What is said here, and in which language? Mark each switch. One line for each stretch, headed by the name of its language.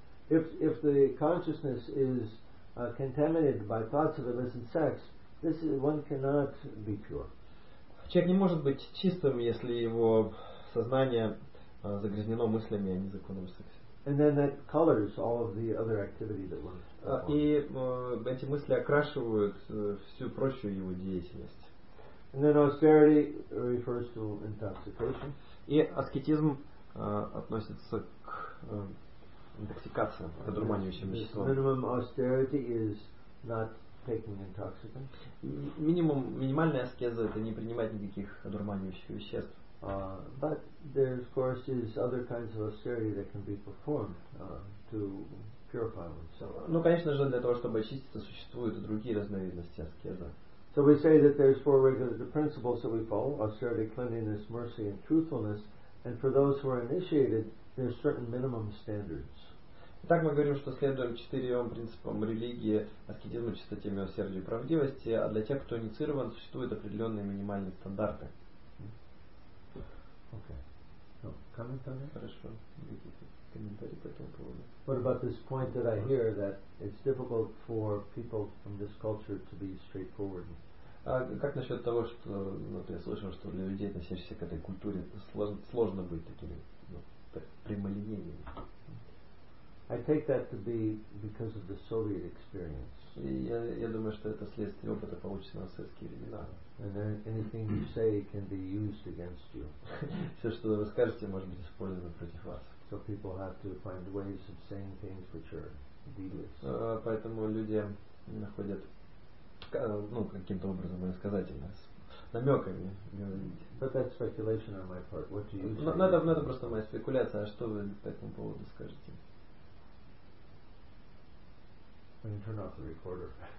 English: If the consciousness is contaminated by thoughts of illicit sex, this is, one cannot be pure.
Russian: Человек не может быть чистым, если его сознание загрязнено мыслями о незаконном сексе.
English: And then that colors all of the other activity that one.
Russian: И эти мысли окрашивают всю прочую его деятельность.
English: And then austerity refers to intoxication.
Russian: И аскетизм относится к интоксикация, одурманивающим веществом.
English: Minimum austerity is not taking intoxicants.
Russian: Минимальная аскеза это не принимать никаких одурманивающих веществ.
English: But there of course is other kinds of austerity that can be performed to purify oneself.
Russian: Ну, конечно же, для того, чтобы очиститься, существуют и другие разновидности аскезы.
English: So we say that there's four regular principles that we follow: austerity, cleanliness, mercy, and truthfulness. And for those who are initiated, there are certain minimum standards.
Russian: Итак, мы говорим, что следуем четырем принципам религии, аскетизму, чистоте, милосердию и правдивости, а для тех, кто инициирован, существуют определенные минимальные стандарты.
English: Okay. No comment on that?
Russian: Хорошо. Какие-то комментарии по этому поводу?
English: What about this point that I hear, that it's difficult for people from this culture to be straightforward?
Russian: А как насчет того, что, ну, я слышал, что для людей, относящихся к этой культуре, сложно быть такими, ну, прямолинейными?
English: I take that to be because of the Soviet experience.
Russian: Я думаю, что это следствие опыта, полученного в советские времена.
English: And anything you say can be used against you.
Russian: Все, что вы скажете, может быть использовано против вас.
English: So people have to find ways of saying things which are devious.
Russian: Поэтому люди находят, ну, каким-то образом иносказательно, с намеками.
English: But that's speculation on my part. What do you say?
Russian: Надо просто моя спекуляция. А что вы по этому поводу скажете?
English: We can turn off the recorder.